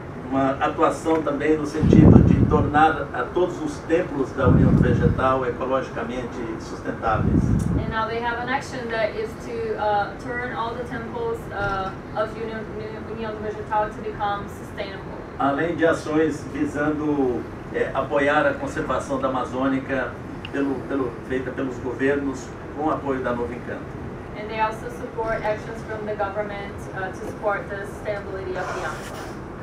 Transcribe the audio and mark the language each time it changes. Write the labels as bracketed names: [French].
[Portuguese] Uma atuação também no sentido de tornar a todos os templos da União Vegetal ecologicamente sustentáveis. [English] And now they have an action that is to turn all the temples of União Vegetal to become sustainable. [Portuguese] Além de ações visando apoiar a conservação da Amazônica feita pelos governos com apoio da Novo Encanto. [English] And they also support actions from the government to support the sustainability of the Amazon.